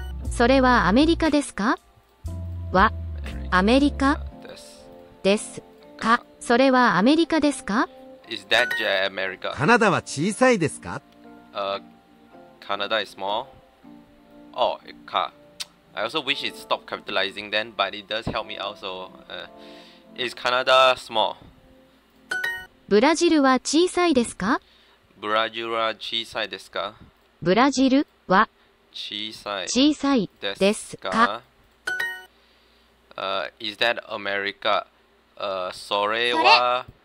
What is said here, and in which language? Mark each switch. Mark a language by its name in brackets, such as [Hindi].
[Japanese] それはアメリカですか？は。アメリカです。ですか？それはアメリカですか？ [English] Is that America? [Japanese] カナダは小さいですか？ [English] カナダ is small. Oh, it ka. I also wish it stopped capitalizing then, but it does help me out. So, is Canada small? [Japanese] ブラジルは小さいですか？ブラジルは小さいですか？ブラジルは小さいですか？ [English] Is that America? [Japanese] それは。